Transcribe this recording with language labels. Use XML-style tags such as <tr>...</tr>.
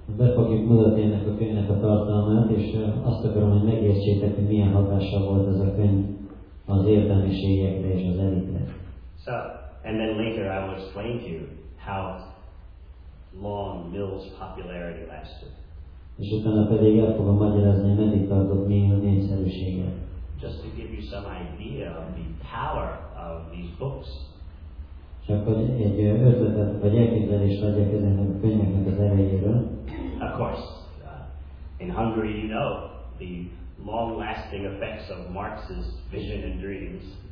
<hu>Be fogjuk mutatni ennek a könyvnek a tartalmát, és azt akarom, hogy megértsétek, hogy milyen hatással volt ez a könyv az értelmiségekre és az elitre.</hu> <en>So, and then later I will explain to you how long Mill's popularity lasted.</en> <hu>És utána pedig el fogom magyarázni, meddig tartott Mill népszerűsége.</hu> <en>Just to give you some idea of the power of these books.</en> <hu>Csak hogy egy ötletet vagy elképzelést adjak ezeknek a könyveknek az erejéről.</hu> <en>Of course, in Hungary you know the long-lasting effects of Marx's vision and dreams.</en>